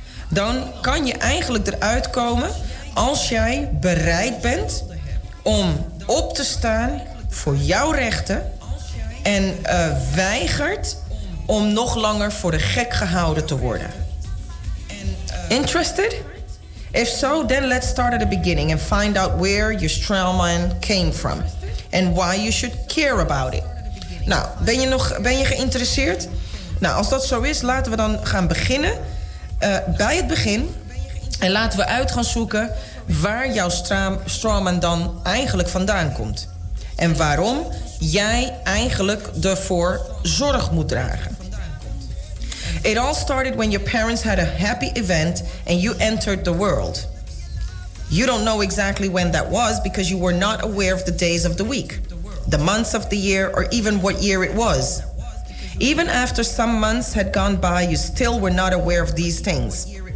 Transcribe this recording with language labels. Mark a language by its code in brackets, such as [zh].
[nl] dan kan je eigenlijk eruit komen als jij bereid bent om op te staan voor jouw rechten en weigert om nog langer voor de gek gehouden te worden. [en] Interested? If so, then let's start at the beginning and find out where your trauma came from and why you should care about it. [nl] Nou, ben je geïnteresseerd? Nou, als dat zo is, laten we dan gaan beginnen bij het begin. En laten we uit gaan zoeken waar jouw strawman dan eigenlijk vandaan komt. En waarom jij eigenlijk ervoor zorg moet dragen. [en] It all started when your parents had a happy event and you entered the world. You don't know exactly when that was because you were not aware of the days of the week, the months of the year, or even what year it was. Even after some months had gone by, you still were not aware of these things.